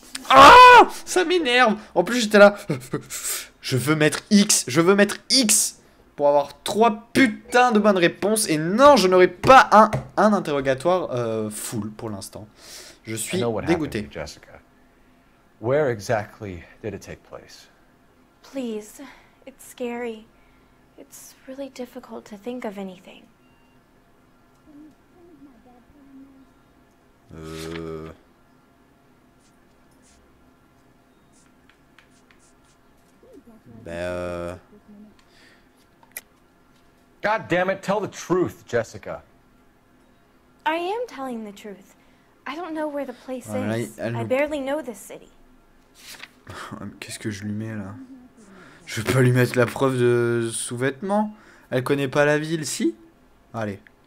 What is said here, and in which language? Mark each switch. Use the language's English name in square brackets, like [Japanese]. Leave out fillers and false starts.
[French] Ah, ça m'énerve. En plus, j'étais là. Je veux mettre X. Je veux mettre X pour avoir trois putains de bonnes réponses. Et non, je n'aurai pas un interrogatoire full pour l'instant. Je suis dégoûté. [English] Where exactly did it take place? Please, it's scary. It's really difficult to think of anything. God damn it, tell the truth, Jessica. I am telling the truth. I don't know where the place is. I barely know this city. [French] Qu'est-ce que je lui mets là? Je peux lui mettre la preuve de sous-vêtements. Elle connaît pas la ville, si? Allez.